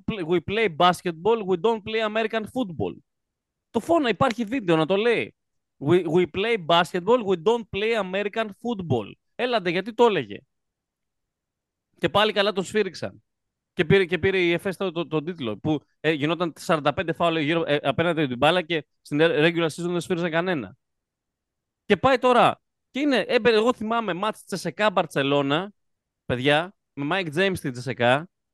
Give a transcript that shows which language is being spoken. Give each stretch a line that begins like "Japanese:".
English: We play basketball, we don't play American football.
Greek: Το φώνα, υπάρχει βίντεο να το λέει.
English: We play basketball, we don't play American football.
Greek: Έλατε, γιατί το έλεγε. Και πάλι καλά τον σφύριξαν. Και πήρε η ΕΦΕΣ τον τίτλο. Που γινόταν 45 φάουλ απέναντι την μπάλα και στην regular season δεν σφύριζε κανένα. Και πάει τώρα. Και είναι, εγώ θυμάμαι μάτς Τσεσεκά Μπαρτσελώνα, παιδιά, με Mike James στην Τσεσεκά.